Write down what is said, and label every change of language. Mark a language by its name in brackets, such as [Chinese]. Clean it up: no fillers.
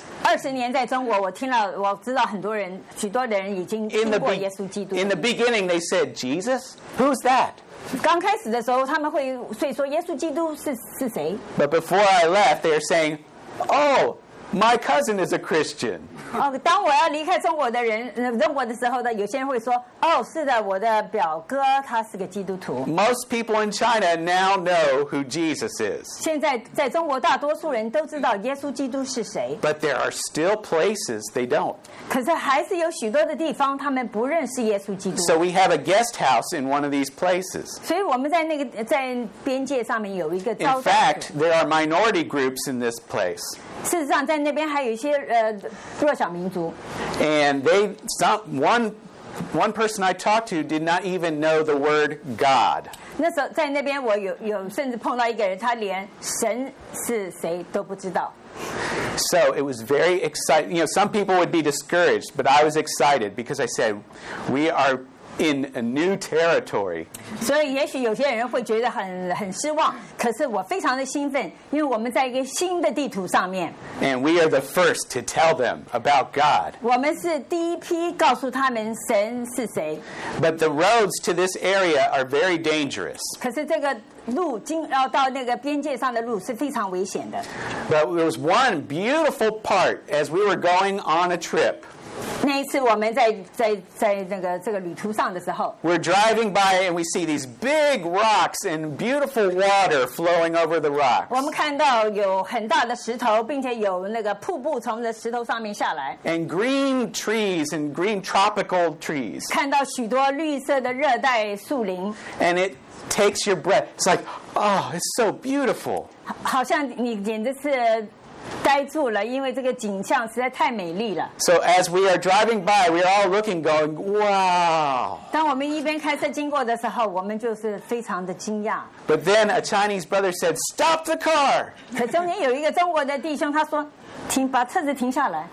[Chinese] 20年在中国，我听了，我知道很多人，许多的人已经听过耶稣基督。 [English] In the beginning, they said, "Jesus, who's that?" [Chinese] 刚开始的时候，他们会说耶稣基督是谁。 [English] But before I left, they're saying, "Oh, my cousin is a Christian." [Chinese] 哦，当我要离开中国的人，中国的时候呢，有些人会说，哦，是的，我的表哥他是个基督徒。 [English] Most people in China now know who Jesus is. [Chinese] 现在在中国，大多数人都知道耶稣基督是谁。 [English] But there are still places they don't. [Chinese] 可是还是有许多的地方他们不认识耶稣基督。 [English] So we have a guest house in one of these places. [Chinese] 所以我们在那个在边界上面有一个招待所。 [English] In fact, there are minority groups in this place. [Chinese] 事实上，在那边还有一些弱小民族。 [English] And they, some one person I talked to did not even know the word God. [Chinese] 那时候在那边，我有甚至碰到一个人，他连神是谁都不知道。 [English] So it was very exciting. You know, some people would be discouraged, but I was excited because I said, we are. In a new territory. [Chinese] 所以也许有些人会觉得很失望，可是我非常的兴奋，因为我们在一个新的地图上面。 [English] And we are the first to tell them about God. [Chinese] 我们是第一批告诉他们神是谁。 [English] But the roads to this area are very dangerous. [Chinese] 可是这个路经要到那个边界上的路是非常危险的。 [English] But there was one beautiful part as we were going on a trip. [Chinese] 那一次我们在那个这个旅途上的时候 [English] ，We're driving by and we see these big rocks and beautiful water flowing over the rocks. [Chinese] 我们看到有很大的石头，并且有那个瀑布从这石头上面下来。 [English] And green trees and green tropical trees. [Chinese] 看到许多绿色的热带树林。 [English] And it takes your breath. It's like, oh, it's so beautiful. [Chinese] 好像你简直是。呆住了，因为这个景象实在太美丽了。 [English] So as we are driving by, we are all looking, going, "Wow!" [Chinese] 当我们一边开车经过的时候，我们就是非常的惊讶。 [English] But then a Chinese brother said, "Stop the car!" [Chinese] 可中间有一个中国的弟兄，他说，停，把车子停下来。